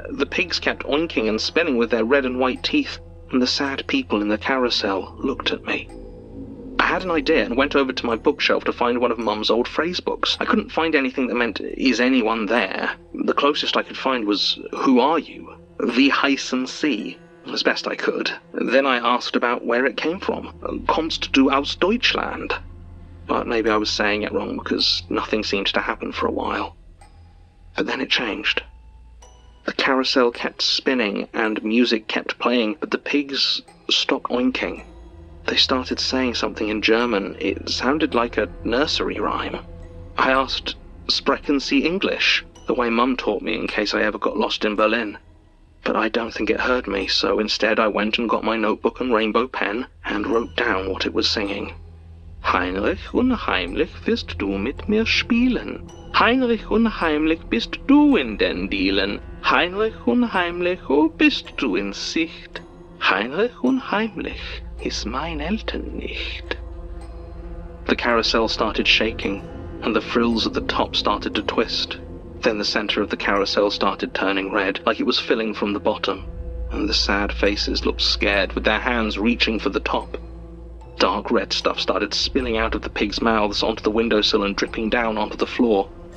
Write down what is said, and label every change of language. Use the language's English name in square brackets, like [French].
[English] The pigs kept oinking and spinning with their red and white teeth, and the sad people in the carousel looked at me. I had an idea and went over to my bookshelf to find one of Mum's old phrase books. I couldn't find anything that meant, "Is anyone there?" The closest I could find was, "Who are you?" [German] "Wie heißen Sie?" [English] as best I could. Then I asked about where it came from. [German] "Kommst du aus Deutschland?" [English] But maybe I was saying it wrong because nothing seemed to happen for a while. But then it changed. The carousel kept spinning and music kept playing, but the pigs stopped oinking. They started saying something in German. It sounded like a nursery rhyme. I asked, [German] "Sprechen Sie English?" [English] the way Mum taught me in case I ever got lost in Berlin. But I don't think it heard me, so instead I went and got my notebook and rainbow pen and wrote down what it was singing. [German] Heinrich unheimlich wirst du mit mir spielen. Heinrich unheimlich bist du in den Dielen. Heinrich unheimlich, oh bist du in Sicht. Heinrich unheimlich ist mein Eltern nicht. [English] The carousel started shaking, and the frills at the top started to twist. Then the center of the carousel started turning red, like it was filling from the bottom, and the sad faces looked scared, with their hands reaching for the top. Dark red stuff started spilling out of the pig's mouths onto the windowsill and dripping down onto the floor.